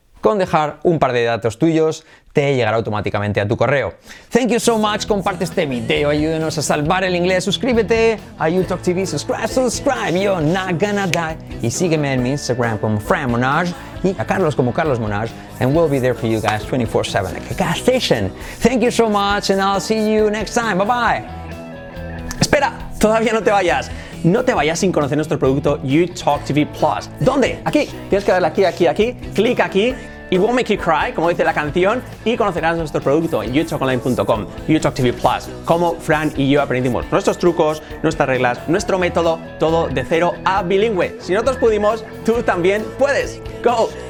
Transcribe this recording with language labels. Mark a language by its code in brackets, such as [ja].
[es] Con dejar un par de datos tuyos, te llegará automáticamente a tu correo. Thank you so much, comparte este video, ayúdenos a salvar el inglés, suscríbete a UTalk TV, subscribe, you're not gonna die. Y sígueme en mi Instagram como Fran Monage y a Carlos como Carlos Monage. [en] And we'll be there for you guys 24/7 at the gas station. Thank you so much and I'll see you next time, bye bye. [es] Espera, todavía no te vayas. No te vayas sin conocer nuestro producto UTalk TV Plus. ¿Dónde? Aquí. Tienes que darle aquí, aquí, aquí. Clic aquí. It won't make you cry, como dice la canción. Y conocerás nuestro producto en utalkonline.com. UTalk TV Plus. Como Fran y yo aprendimos nuestros trucos, nuestras reglas, nuestro método. Todo de cero a bilingüe. Si nosotros pudimos, tú también puedes. ¡Go!